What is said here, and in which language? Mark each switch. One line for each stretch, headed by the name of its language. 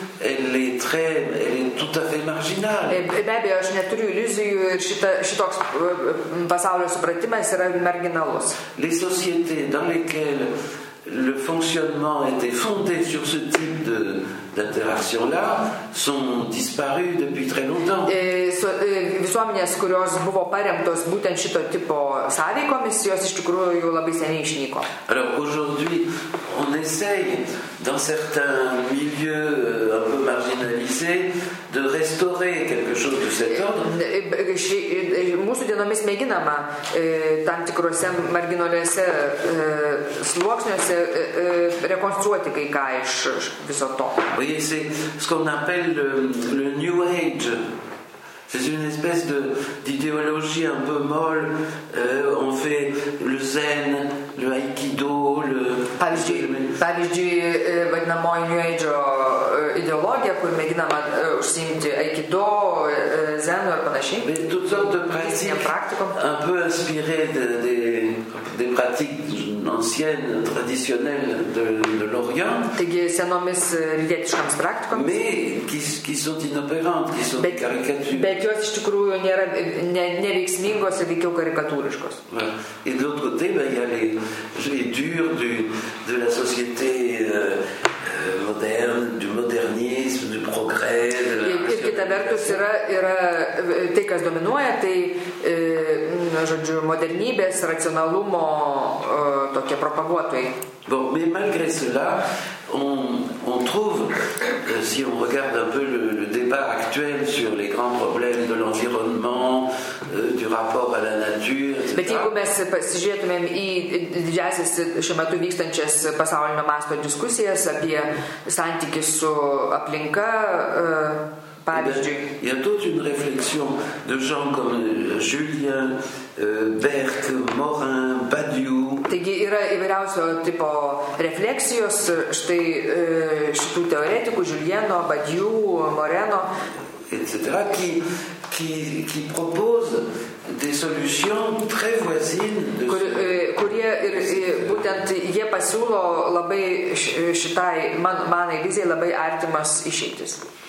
French: Elle est tout à fait marginale.
Lithuanian: Be abejo, aš neturiu iliuzijų ir šitoks pasaulio supratimas yra marginalus.
French: Les sociétés dans lesquelles le fonctionnement était fondé sur ce type de d'interaction-là sont disparues depuis très longtemps.
Lithuanian: Visuomenės, kurios buvo paremtos būtent šito tipo sąveikomis, jos iš tikrųjų labai seniai išnyko.
French: Alors aujourd'hui, on essaye dans certains milieux un peu marginalisés de restaurer quelque chose de cet ordre.
Lithuanian: Mūsų dienomis mėginama tam tikrose marginaliuose sluoksniuose rekonstruoti kai ką iš viso to.
French: Oui, c'est ce qu'on appelle le New Age. C'est une espèce d'idéologie un peu molle. On fait le zen, le aikido,
Lithuanian: Pavyzdžiui, vadinamoji New Age ideologija, kur mėginama užsiimti Aikido, Zenu ir panašiai.
French: Bet toutes sortes de pratiques,
Lithuanian: praktikom.
French: Un peu inspiré des pratiques anciennes, traditionnelles de l'Orient.
Lithuanian: Taigi, senomis rytietiškoms praktikoms.
French: Mais qui sont inopérantes, qui sont caricatures.
Lithuanian: Bet jos iš tikrųjų nėra neveiksmingos, veikiau karikatūriškos.
French: Et de l'autre côté, il y a les durs de la société moderne, du modernisme, du progrès.
Lithuanian: Ir kita vertus yra tai, kas dominuoja, tai žodžiu, modernybės, racionalumo tokie propaguotojai.
French: Bon, mais malgré cela, on trouve, si on regarde un peu le débat actuel sur les grands problèmes de l'environnement, du rapport à la nature, etc.
Lithuanian: Bet jeigu mes pasižiūrėtumėm į didžiasis šiuo metu vykstančias pasaulinio masto diskusijas apie santykį su aplinka, pavyzdžiui.
French: Il y a toute une réflexion de gens comme Julien, Berthe, Morin, Badiou.
Lithuanian: Taigi yra įvairiausio tipo refleksijos štai šitų teoretikų Julieno, Badiou, Moreno etc.
French: qui propose des solutions très voisines de
Lithuanian: kurie ir būtent jie pasiūlo labai šitai manai vizijai labai artimas išeitis.